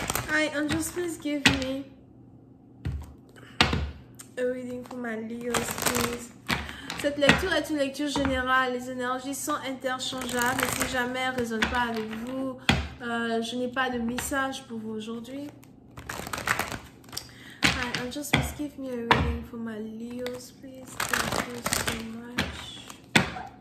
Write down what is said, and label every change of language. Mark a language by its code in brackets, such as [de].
[en] Hi, angels, please give me a reading for my Leos, please. [fr] Cette lecture est une lecture générale. Les énergies sont interchangeables. Si jamais elle ne résonne pas avec vous, je n'ai pas de message pour vous aujourd'hui. [en] Hi, angels, please give me a reading for my Leos, please. Thank you so much.